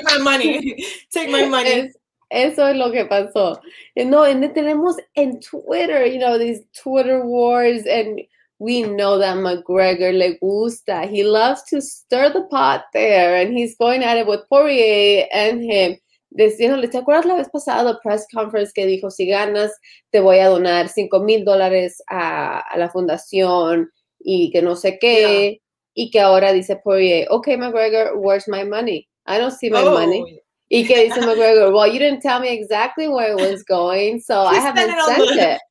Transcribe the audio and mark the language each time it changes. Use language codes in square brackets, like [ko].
[en] Take my money. [es] Eso es lo que pasó. [en] And then [es] tenemos en [en] Twitter, you know, these Twitter wars, and we know that McGregor [es] le gusta. [en] He loves to stir the pot there, and he's going at it with Poirier and him. [es] Diciéndole, ¿te acuerdas la vez pasada la press conference que dijo, si ganas, te voy a donar $5,000 a la fundación y que no sé qué? Yeah. Y que ahora dice Poirier, okay, McGregor, [en] where's my money? I don't see my money. [es] Y que dice McGregor, [en] well, you didn't tell me exactly where it was going, so I haven't sent it.